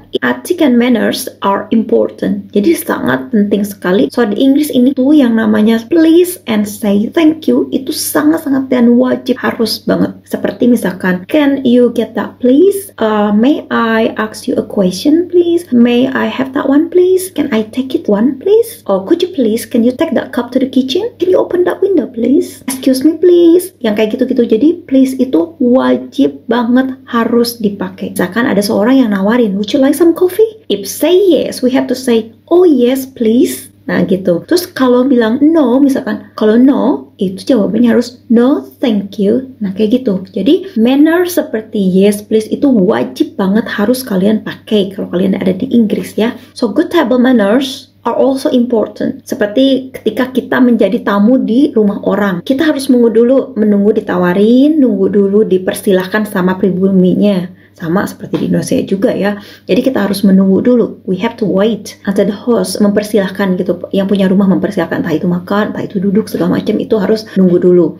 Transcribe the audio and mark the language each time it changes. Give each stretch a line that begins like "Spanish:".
English: Etika and manners are important.
Indonesian: Jadi sangat penting sekali. So di Inggris ini tuh yang namanya
English: please and say thank you
Indonesian: itu sangat-sangat dan wajib, harus banget.
English: Seperti misalkan, can you get that please? May I ask you a question please? May I have that one please? Can I take it one please? Or could you please, can you take that cup to the kitchen? Can you open that window please? Excuse me please.
Indonesian: Yang kayak gitu-gitu. Jadi please itu wajib banget, harus dipakai. Misalkan ada seorang yang nawarin,
English: would you like some coffee? If say yes, we have to say, oh yes please.
Indonesian: Nah gitu. Terus kalau bilang no, misalkan kalau no, itu jawabannya harus
English: no thank you.
Indonesian: Nah kayak gitu. Jadi manner seperti
English: yes please
Indonesian: itu wajib banget, harus kalian pakai kalau kalian ada di Inggris ya.
English: So good table manners are also important.
Indonesian: Seperti ketika kita menjadi tamu di rumah orang, kita harus nunggu dulu, menunggu ditawarin, nunggu dulu dipersilahkan sama pribuminya. Sama seperti di Indonesia juga ya. Jadi kita harus menunggu dulu.
English: We have to wait until the host
Indonesian: mempersilahkan gitu. Yang punya rumah mempersilahkan, entah itu makan, entah itu duduk, segala macam itu harus nunggu dulu.